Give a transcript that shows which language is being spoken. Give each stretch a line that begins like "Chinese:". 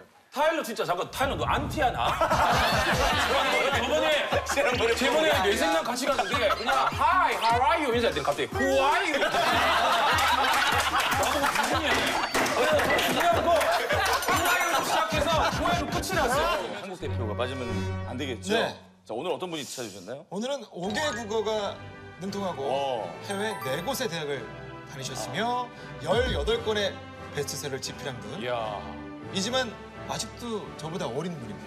Korean: 타일러 진짜 잠깐 타일러 너 안티하나? 저번에 저번에 뇌생명 같이 갔는데 그냥
English: Hi, how are you?
Korean: 인사했더니 갑자기
English: Who are you?
Korean: 나도 무슨 얘기야? 중요한 거
English: Who are you?
Korean: 시작해서
English: Who are you?
Korean: 끝이 났어요. 한국 대표가 빠지면 안 되겠죠? 네. 자, 오늘 어떤 분이 찾아주셨나요? 오늘은 5개 국어가 능통하고 해외 4곳의 대학을 다니셨으며 18권의 베스트셀러를 집필한 분. 이야. 이지만 아직도 저보다 어린 분입니다.